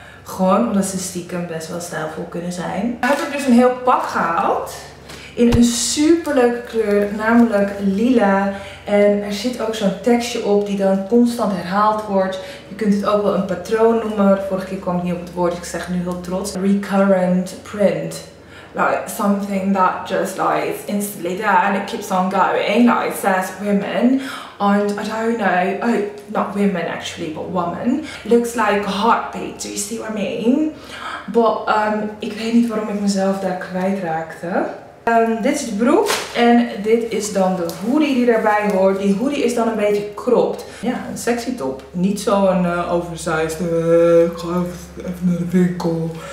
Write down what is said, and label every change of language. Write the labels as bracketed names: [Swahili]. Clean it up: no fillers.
[Dutch] Gewoon omdat ze stiekem best wel stijlvol kunnen zijn. Ik heb dus een heel pak gehaald. In een superleuke kleur, namelijk lila. En er zit ook zo'n tekstje op die dan constant herhaald wordt. Je kunt het ook wel een patroon noemen. Vorige keer kwam ik niet op het woord, ik zeg nu heel trots. [English] Recurrent print. Like something that just like is instantly there and it keeps on going. Like it says women. And I don't know, oh, not women actually, but woman. Looks like a heartbeat, do you see what I mean? [Dutch] But ik weet niet waarom ik mezelf daar kwijtraakte. Dit is de broek en dit is dan de hoodie die daarbij hoort. Die hoodie is dan een beetje cropped. Ja, een sexy top. Niet zo'n oversized, ik ga even naar de winkel.